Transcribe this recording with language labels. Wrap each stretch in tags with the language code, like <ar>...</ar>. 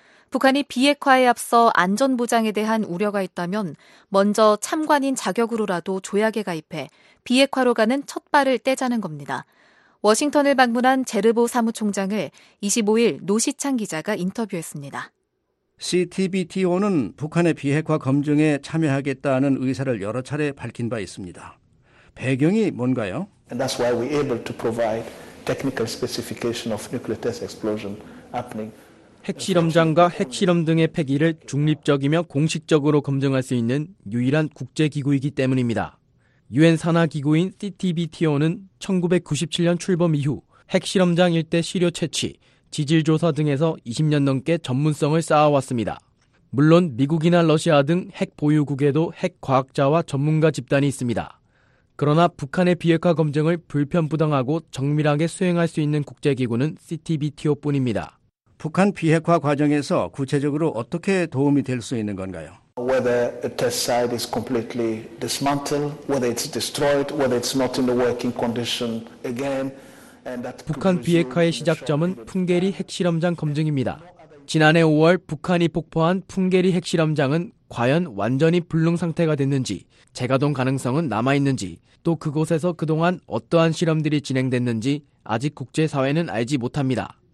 <ko>북한이 비핵화에 앞서 안전보장에 대한 우려가 있다면 먼저 참관인 자격으로라도 조약에 가입해 비핵화로 가는 첫 발을 떼자는 겁니다. 워싱턴을 방문한 제르보 사무총장을 25일 노시창 기자가 인터뷰했습니다. CTBTO는 북한의 비핵화 검증에 참여하겠다는 의사를 여러 차례 밝힌 바 있습니다. 배경이 뭔가요?</ko> <en>And that's why we're able to provide technical specification of nuclear test explosion happening.</en> <ko>핵실험장과 핵실험 등의 폐기를 중립적이며 공식적으로 검증할 수 있는 유일한 국제기구이기 때문입니다. 유엔 산하 기구인 CTBTO는 1997년 출범 이후 핵실험장 일대 시료 채취, 지질 조사 등에서 20년 넘게 전문성을 쌓아왔습니다. 물론 미국이나 러시아 등 핵 보유국에도 핵 과학자와 전문가 집단이 있습니다. 그러나 북한의 비핵화 검증을 불편부당하고 정밀하게 수행할 수 있는 국제기구는 CTBTO뿐입니다. 북한 비핵화 과정에서 구체적으로 어떻게 도움이 될 수 있는 건가요?</ko> <en>Whether a test site is completely dismantled, whether it's destroyed, whether it's not in the working condition again.</en> <ko>북한 비핵화의 시작점은 풍계리 핵실험장 검증입니다. 지난해 5월 북한이 폭파한 풍계리 핵실험장은 과연 완전히 불능 상태가 됐는지, 재가동 가능성은 남아있는지, 또 그곳에서 그동안 어떠한 실험들이 진행됐는지 아직 국제사회는 알지 못합니다.</ko>